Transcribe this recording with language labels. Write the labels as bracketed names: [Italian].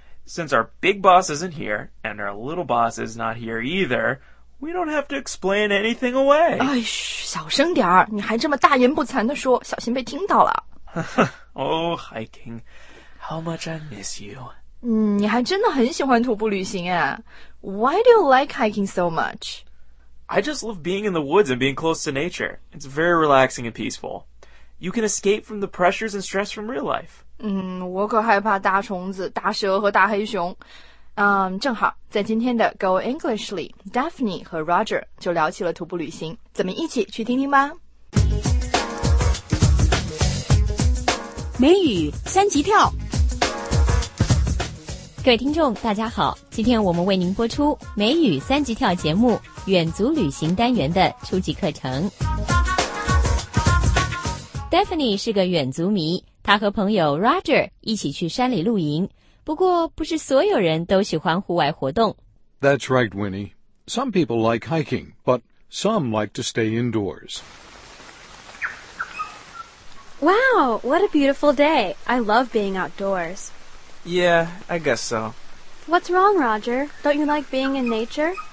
[English] Since our big boss isn't here, and our little boss is not here either, we don't have to explain anything away. [Chinese] 哎，嘘，小声点儿，你还这么大言不惭地说，小心被听到了。 [English] Oh, hiking. How much I miss you. [Chinese] 你还真的很喜欢徒步旅行啊。 [English] Why do you like hiking so much? I just love being in the woods and being close to nature. It's very relaxing and peaceful. You can escape from the pressures and stress from real life. [Chinese] 我可害怕大虫子、大蛇和大黑熊。正好在今天的 Go English 里 ，Daphne 和 Roger 就聊起了徒步旅行，咱们一起去听听吧。美语三级跳，各位听众，大家好，今天我们为您播出美语三级跳节目远足旅行单元的初级课程。 Stephanie 是个远足迷，她和朋友 Roger 一起去山里露营。不过，不是所有人都喜欢户外活动。 [English] That's right, Winnie. Some people like hiking, but some like to stay indoors. Wow, what a beautiful day. I love being outdoors. Yeah, I guess so. What's wrong, Roger? Don't you like being in nature?